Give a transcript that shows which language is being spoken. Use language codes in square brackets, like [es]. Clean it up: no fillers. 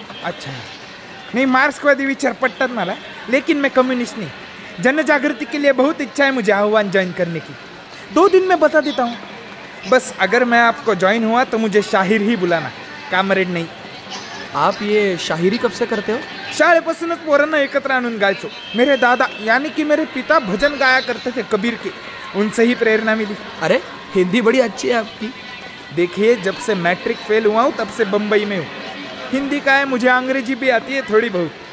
[hi] अच्छा नहीं मार्क्सवादी विचार पट्टा माला, लेकिन मैं कम्युनिस्ट नहीं. जन जागृति के लिए बहुत इच्छा है मुझे आह्वान ज्वाइन करने की, 2 दिन में बता देता हूँ. बस अगर मैं आपको ज्वाइन हुआ तो मुझे शाहिर ही बुलाना, कॉमरेड नहीं. आप ये शाहिरी कब से करते हो? [mr] शाळे पासूनच पोरांना एकत्र आणून गायचो. [hi] मेरे दादा यानी कि मेरे पिता भजन गाया करते थे कबीर के, उनसे ही प्रेरणा मिली. अरे हिंदी बड़ी अच्छी है आपकी. देखिए जब से मैट्रिक फेल हुआ हूँ तब से बम्बई में हूँ, हिंदी का है मुझे अंग्रेजी भी आती है थोड़ी बहुत.